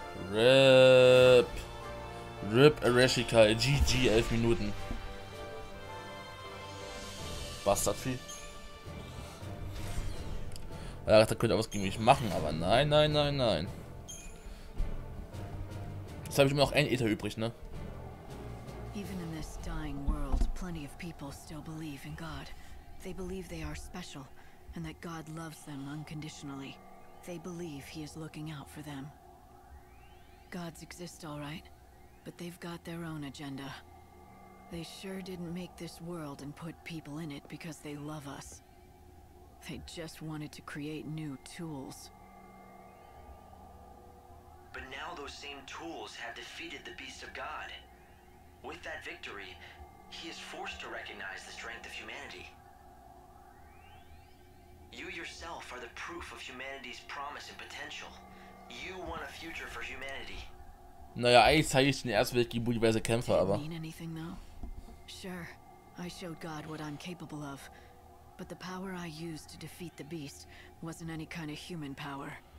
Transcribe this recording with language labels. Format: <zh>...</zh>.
<de>RIP. RIP Arashika. GG, 11 Minuten. Bastardvieh. Ich dachte, da könnte auch was gegen mich machen, aber nein, nein, nein, nein. Jetzt habe ich immer noch ein Ether übrig, ne?</de> <en>Even in this dying world, plenty of people still believe in God. They believe they are special and that God loves them unconditionally. They believe he is looking out for them. Gods exist, all right, but they've got their own agenda. They sure didn't make this world and put people in it because they love us. They just wanted to create new tools. But now those same tools have defeated the beast of God. With that victory, he is forced to recognize the strength of humanity. You yourself are the proof of humanity's promise and potential. You want a future for humanity.</en> <de>Naja, eigentlich zeige ich den erstmal die Universe Kämpfer, aber.</de> <en>Mean anything, though? Sure, I showed God what I'm capable of. But the power I used to defeat the beast wasn't any kind of human power.</en>